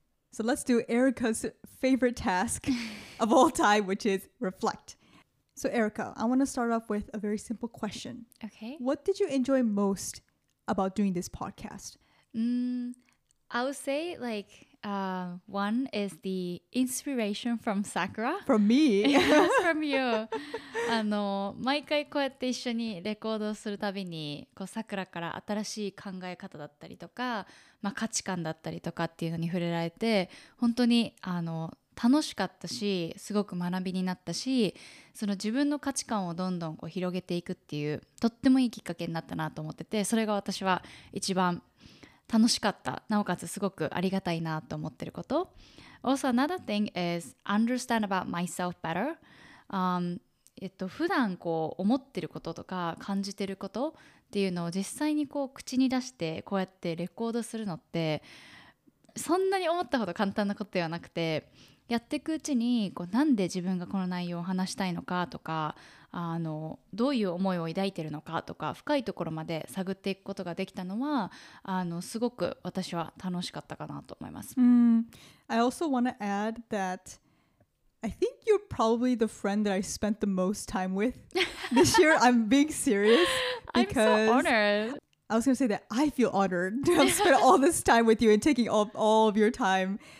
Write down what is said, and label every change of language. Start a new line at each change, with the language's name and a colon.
English: So let's do Erica's favorite task of all time, which is reflect. So Erica, I want to start off with a very simple question. Okay. What did you enjoy most about doing this podcast? I would say, like, one is the inspiration from Sakura. From me? Yes, from you.
Japanese: 毎回こうやって一緒にレコードするたびに、こう Sakura から新しい考え方だったりとか、まあ価値観だったりとかっていうのに触れられて、本当に、楽しかったし、すごく学びになったし、その自分の価値観をどんどんこう広げていくっていう、とってもいいきっかけになったなと思ってて、それが私は一番楽しかった、なおかつすごくありがたいなと思ってること。
English: Also, another thing is understand about myself better.
Japanese: 普段こう思ってることとか感じてることっていうのを実際にこう口に出してこうやってレコードするのって、そんなに思ったほど簡単なことではなくて、やっていくうちにこうなんで自分がこの内容を話したいのかとか、どういう思いを抱いてるのかとか、深いところまで探っていくことができたのは、すごく私は楽しかったかなと思います。
English: I also want to add that I think you're probably the friend that I spent the most time with this year. I'm being serious. I'm so honored. I was going to say that I feel honored to have spent all this time with you and taking all of your time.